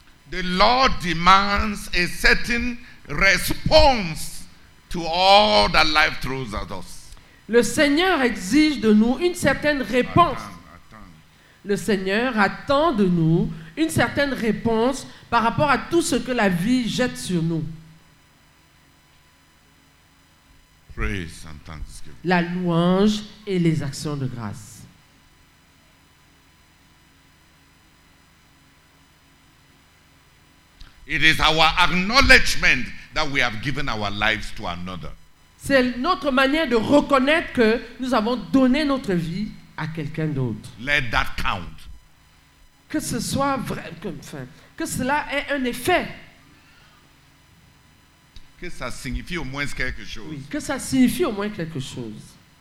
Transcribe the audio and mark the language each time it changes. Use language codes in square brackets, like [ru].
[en] The Lord demands a certain response to all that life throws at us. [fr] Le Seigneur exige de nous une certaine réponse. Le Seigneur attend de nous une certaine réponse par rapport à tout ce que la vie jette sur nous. [en] Praise and thanksgiving. [fr] La louange et les actions de grâce. [en] It is our acknowledgement that we have given our lives to another. [fr] C'est notre manière de reconnaître que nous avons donné notre vie à quelqu'un d'autre. [en] Let that count. [fr] Que ce soit vrai, que cela ait un effet. Que ça signifie au moins quelque chose. Oui, que ça signifie au moins quelque chose.